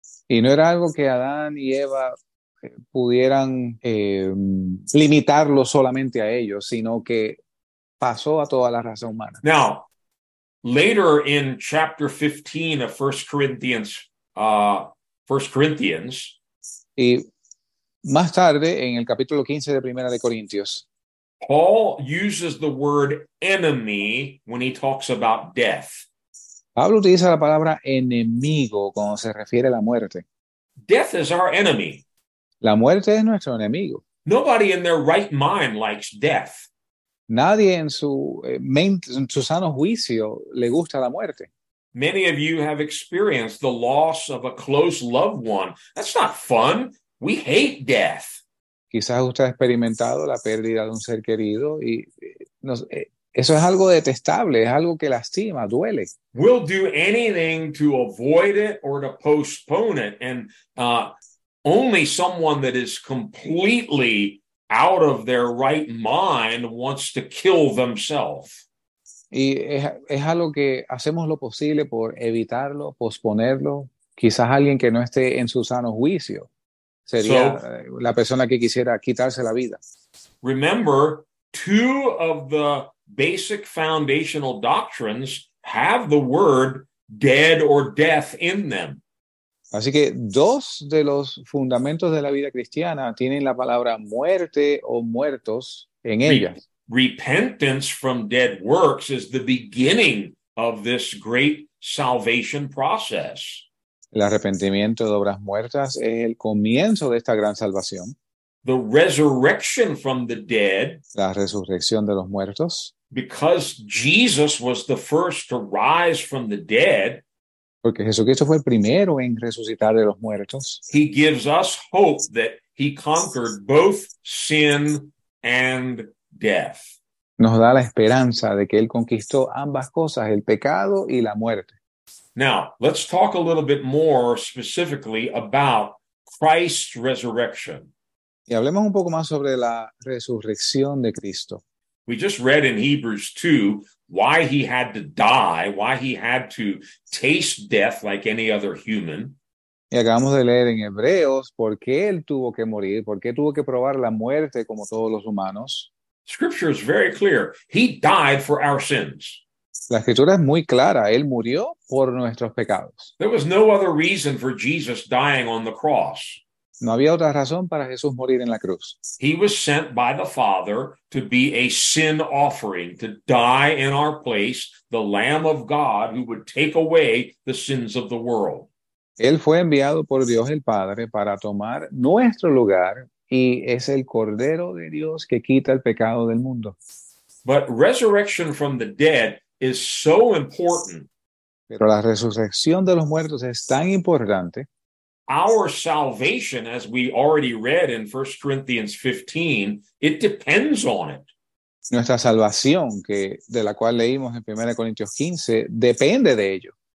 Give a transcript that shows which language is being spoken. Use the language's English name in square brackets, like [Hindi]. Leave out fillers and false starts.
[Spanish] Y no era algo que Adán y Eva pudieran limitarlo solamente a ellos, sino que pasó a toda la raza humana. [English] Now, later in chapter 15 of 1 Corinthians. [Spanish] Y más tarde, en el capítulo 15 de Primera de Corintios, [English] Paul uses the word enemy when he talks about death. [Spanish] Pablo utiliza la palabra enemigo cuando se refiere a la muerte. [English] Death is our enemy. [Spanish] La muerte es nuestro enemigo. [English] Nobody in their right mind likes death. [Spanish] Nadie en su mente, en su sano juicio, le gusta la muerte. [English] Many of you have experienced the loss of a close loved one. That's not fun. We hate death. [Spanish] Quizás usted ha experimentado la pérdida de un ser querido y eso es algo detestable, es algo que lastima, duele. [English] We'll do anything to avoid it or to postpone it, and only someone that is completely out of their right mind wants to kill themselves. [Spanish] Y es algo que hacemos lo posible por evitarlo, posponerlo. Quizás alguien que no esté en su sano juicio sería la persona que quisiera quitarse la vida. [English] Remember, two of the basic foundational doctrines have the word dead or death in them. [Spanish] Así que dos de los fundamentos de la vida cristiana tienen la palabra muerte o muertos en ellas. [English] Repentance from dead works is the beginning of this great salvation process. [Spanish] El arrepentimiento de obras muertas es el comienzo de esta gran salvación. [English] The resurrection from the dead, [Spanish] la resurrección de los muertos, [English] because Jesus was the first to rise from the dead, [Spanish] porque Jesucristo fue el primero en resucitar de los muertos. [English] He gives us hope that he conquered both sin and death. [Spanish] Nos da la esperanza de que él conquistó ambas cosas, el pecado y la muerte. [English] Now, let's talk a little bit more specifically about Christ's resurrection. [Spanish] Y hablemos un poco más sobre la resurrección de Cristo. [English] We just read in Hebrews 2 why he had to die, why he had to taste death like any other human. [Spanish] Y acabamos de leer en Hebreos por qué él tuvo que morir, por qué tuvo que probar la muerte como todos los humanos. [English] Scripture is very clear. He died for our sins. [Spanish] La escritura es muy clara. Él murió por nuestros pecados. [English] There was no other reason for Jesus dying on the cross. [Spanish] No había otra razón para Jesús morir en la cruz. [English] He was sent by the Father to be a sin offering, to die in our place, the Lamb of God who would take away the sins of the world. [Spanish] Él fue enviado por Dios el Padre para tomar nuestro lugar y es el Cordero de Dios que quita el pecado del mundo. [English] But resurrection from the dead is so important. [Spanish] Pero la resurrección de los muertos es tan importante. [English] Our salvation, as we already read in 1 Corinthians 15, it depends on it. [Spanish] Nuestra salvación, que de la cual leímos en 1 Corintios 15, depende de ello.